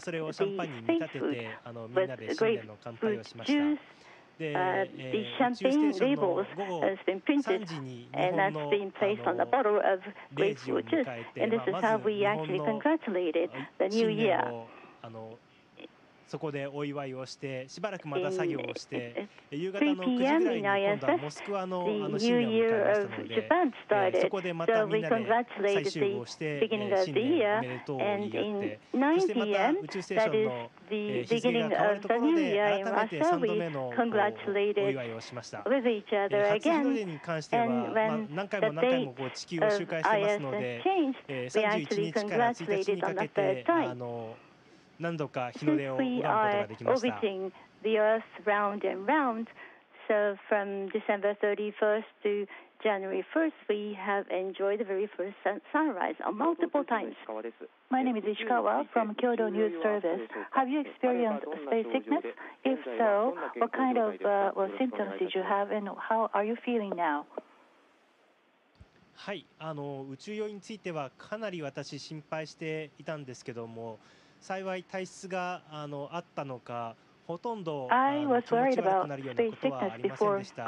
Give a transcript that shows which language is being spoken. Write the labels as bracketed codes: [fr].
[ja] それをシャンパンに見立ててみんなで新年の乾杯をしました。 [en] The champagne labels has been printed and that's been placed on the bottle of grapefruit juice. And this is how we actually congratulated the new year. [ja] そこでお祝いをしてしばらくまた作業をして夕方の9時ぐらいに今度はモスクワの新年を迎えましたのでそこでまたみんなで再集合して新年おめでとうを言い合ってそしてまた宇宙ステーションの日付が変わるところで改めて3度目のお祝いをしました。初日の出に関しては何回も何回もこう地球を周回してますので31日から1日にかけて何度か日の出を拝むことができました。 [en] Since we are orbiting the Earth round and round, so from December 31st to January 1st, we have enjoyed the very first sunrise multiple times. My name is Ishikawa from Kyoto News Service. Have you experienced space sickness? If so, what kind of symptoms did you have and how are you feeling now? [ja] はい、宇宙酔いについてはかなり私心配していたんですけども幸い体質が あったのかほとんど気持ち悪くなるようなことはありませんでした。